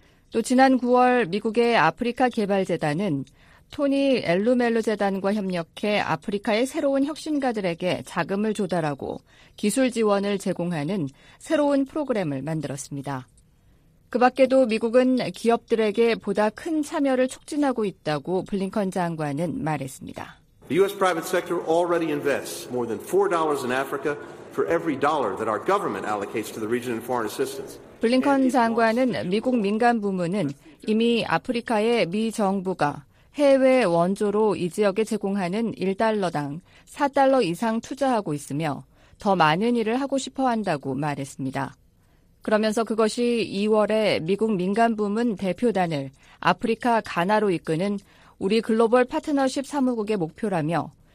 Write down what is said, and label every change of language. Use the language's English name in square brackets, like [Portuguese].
[Korean] 또 지난 9월 미국의 아프리카 개발재단은 토니 엘루멜루 재단과 협력해 아프리카의 새로운 혁신가들에게 자금을 조달하고 기술 지원을 제공하는 새로운 프로그램을 만들었습니다. 그 밖에도 미국은 기업들에게 보다 큰 참여를 촉진하고 있다고 블링컨 장관은 말했습니다. [English] The U.S. private sector already invests more than $4 in Africa for every dollar that our government allocates to the region in foreign assistance. [Korean] 블링컨 장관은 미국 민간 부문은 이미 아프리카의 미 정부가 해외 원조로 이 지역에 제공하는 1달러당 4달러 이상 투자하고 있으며 더 많은 일을 하고 싶어 한다고 말했습니다. 그러면서 그것이 2월에 미국 민간 부문 대표단을 아프리카 가나로 이끄는 우리 글로벌 파트너십 사무국의 목표라며